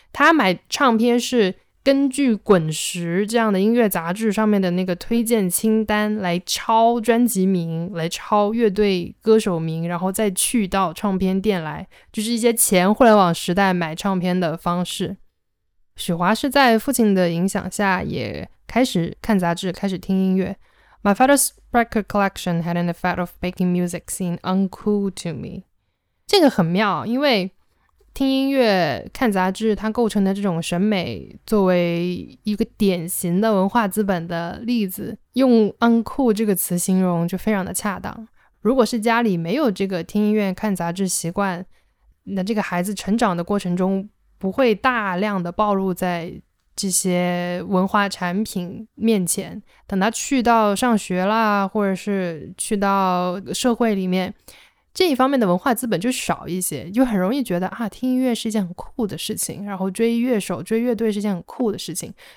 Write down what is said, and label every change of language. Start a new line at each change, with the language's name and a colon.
Chinese: 他买唱片是根据《滚石》这样的音乐杂志上面的那个推荐清单来抄专辑名，来抄乐队歌手名，然后再去到唱片店来，就是一些前互联网时代买唱片的方式。许华是在父亲的影响下也开始看杂志，开始听音乐。
English: My father's record collection had an effect of making music seem uncool to me。
Chinese: 这个很妙，因为听音乐、看杂志它构成的这种审美作为一个典型的文化资本的例子，用uncool这个词形容就非常的恰当。如果是家里没有这个听音乐、看杂志习惯，那这个孩子成长的过程中不会大量的暴露在这些文化产品面前，等他去到上学啦，或者是去到社会里面，这一方面的文化资本就少一些，就很容易觉得啊，听音乐是一件很酷的事情，然后追乐手、追乐队是一件很酷的事情。